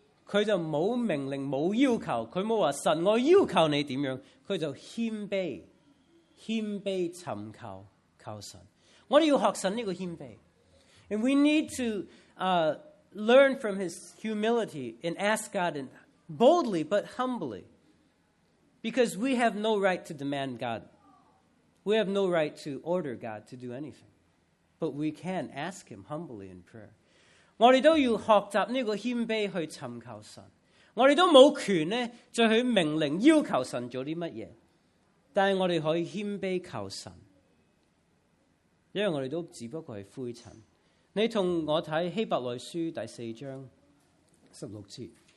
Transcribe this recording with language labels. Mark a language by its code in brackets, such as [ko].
[zh] 他就没有命令，没有要求，他没有说神，我要求你怎样，他就谦卑，谦卑寻求，求神。我们要学神这个谦卑。 [en] And we need to learn from his humility and ask God and boldly but humbly. Because we have no right to demand God. We have no right to order God to do anything. But we can ask him humbly in prayer. [zh] 我们都要学习这个谦卑去寻求神。我们都没有权呢就去命令要求神做些什么。但是我们可以谦卑求神。因为我们都只不过是灰尘。你同我睇希伯来书第四章十六节。